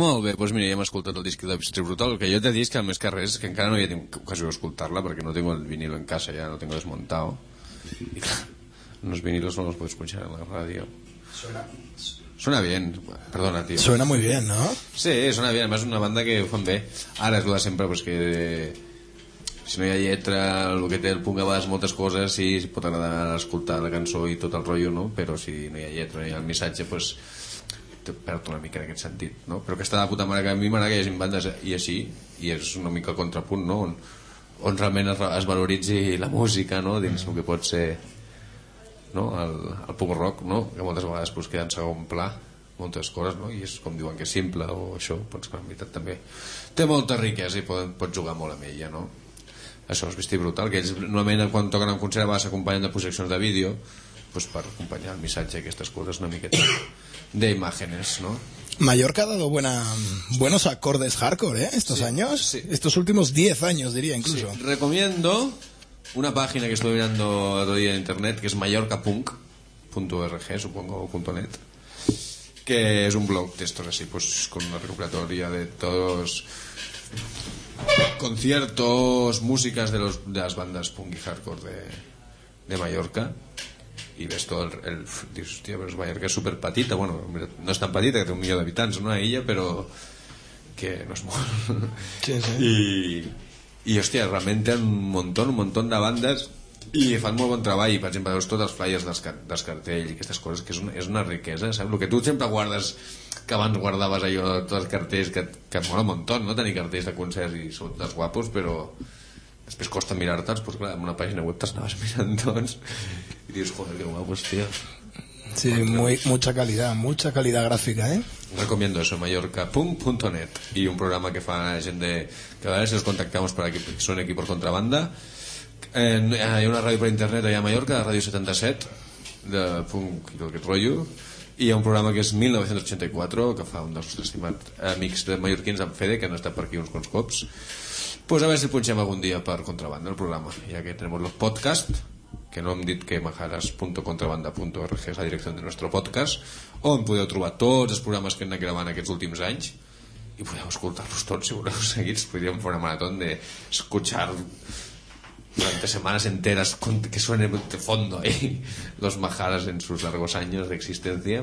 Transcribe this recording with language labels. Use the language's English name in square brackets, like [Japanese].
[Catalan] bé, doncs mira, ja hem escoltat el disc de Bistri Brutal, que jo t'he dit que més que res, que encara no hi tinc ocasió d'escoltar-la, perquè no tinc el vinil en casa, ja no tinc desmuntat. Els vinils no els puc escoltar a la ràdio. [Spanish] Suena bien, perdona, tio. Suena muy bien, ¿no? Sí, suena bien, además una banda que [Catalan] ho fan bé. Ara és la sempre, pues, que... Si no hi ha lletra, el que té el punk a vegades, moltes coses, sí, pot agradar escoltar la cançó i tot el rotllo, no? Però si no hi ha lletra, no hi ha el missatge, pues, te perd una mica en aquest sentit, no? Però que està de puta mare, que a mi m'agrada que hi hagi bandes i així, i és una mica el contrapunt, no? On realment es valoritzi la música, no? Dins el que pot ser, no? El punk rock, no? Que moltes vegades pues, queda en segon pla moltes coses, no? I és com diuen que és simple o això, pots que en veritat també té molta riquesa i pot jugar molt amb ella, no? Això és Bistri Brutal, que ells normalment quan toquen en concert a vegades s'acompanyen de projeccions de vídeo pues, per acompanyar el missatge d'aquestes coses una miqueta d'imàgenes, no? [Spanish] Mallorca ha dado buenos acordes hardcore, ¿eh? Estos sí, años, sí. Estos últimos 10 años diría incluso. Sí. Recomiendo una página que estoy mirando otro día en internet, que es mallorcapunk.org, supongo, o .net, que es un blog de estos así, pues con una recopilatoria de todos conciertos, músicas de las bandas punk y hardcore de Mallorca. Y ves todo el dices, hostia, pero es Mallorca, es súper patita. Bueno, no es tan patita, que tiene 1 millón de habitantes, una illa, pero que no es muy... Sí, sí. Y hostia, realmente hay un montón de bandas y fan muy buen trabajo. Y, por ejemplo, ves todas las flyers de los cartells y estas cosas, que es una riqueza, ¿sabes? Lo que tú siempre guardas, que abans guardabas allò de todos los cartells, que es mola un montón, ¿no? [Catalan] Tenir cartells de concerts [Spanish] y son los guapos, pero... [Catalan] Després costa mirar-te'ls, doncs clar, en una pàgina web t'anaves mirant, doncs, i dius, joder, que guapo, hòstia. [Spanish] Sí, mucha calidad gràfica, eh? Recomiendo eso, [Catalan] mallorcapunk.net, i un programa que fa gent de... que a vegades els contactamos per aquí, perquè són aquí per contrabanda. Hi ha una ràdio per internet allà a Mallorca, la Ràdio 77, de punk i tot aquest rotllo, i hi ha un programa que és 1984, que fa un dels nostres estimats amics de mallorquins, en Fede, que han estat per aquí uns quants cops. Pues a ver si punxem algun dia per contrabanda el programa, [Spanish] ja que tenemos los podcasts, [Catalan] que no hem dit que majaras.contrabanda.org és la direcció del nostre podcast, on podeu trobar tots els programes que hem anat gravant aquests últims anys i podeu escoltar-los tots si voleu seguits. Podríem fer una marató d'escoltar [Spanish] durante setmanes enteres que suene de fondo ahí los majaras en sus largos años de existencia.